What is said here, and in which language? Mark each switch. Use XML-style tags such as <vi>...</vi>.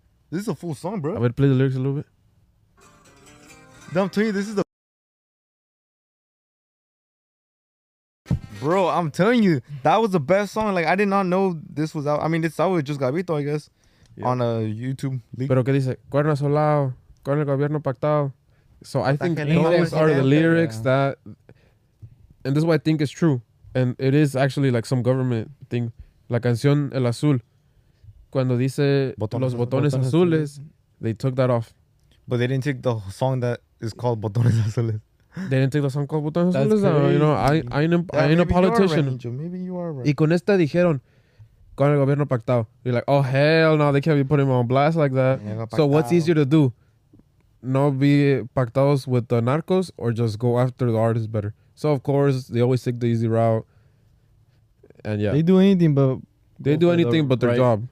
<en>This is a full song, bro. I'm going to play the lyrics a little bit. I'm telling you, this is the... Bro, I'm telling you, that was the best song. Like, I did not know this was out. I mean, it's out with Just Gabito, I guess, yeah. On a YouTube leak.</en> <es>Pero que dice, cuerno solado, con el gobierno pactado.</es> <en>So I think those are the lyrics that... And this is what I think is true. And it is actually like some government thing.</en> <es>La canción El Azul. Cuando dice los botones azules,</es> <en>they took that off. But they didn't take the song that is called Botones Azules. They didn't take the song called Botones Azules. You know, I ain't a politician. You right, maybe you are right.</en> <es>Y con esta dijeron, con el gobierno pactado.</es> <en>You're like, oh, hell no, they can't be putting him on blast like that. So what's easier to do? No be pactados with the narcos or just go after the artists better? So, of course, they always take the easy route. And yeah. They do anything, but... They do anything the but their right job.</en>